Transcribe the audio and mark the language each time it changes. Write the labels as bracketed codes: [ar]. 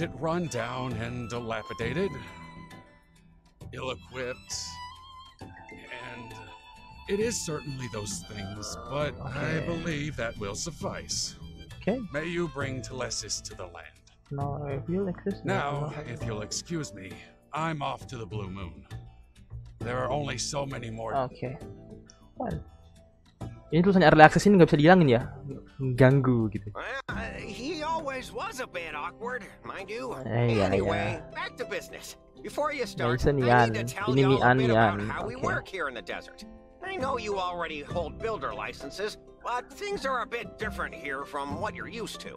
[en] It run down and dilapidated, ill-equipped, and it is certainly those things, but okay. I believe that will suffice. Okay. May you bring Telesis to the land. No, if you'll excuse me. Now, if you'll excuse me, I'm off to the Blue Moon. There are only so many more. Okay. Well. [id] Ini tulisannya early access ini nggak bisa dihilangin ya, ganggu gitu. [en] He always was a bit awkward, mind you. Anyway, back to business. Before you start, Mason, I need to tell you a bit about how we work here in the desert. I know you already hold builder licenses, but things are a bit different here from what you're used to.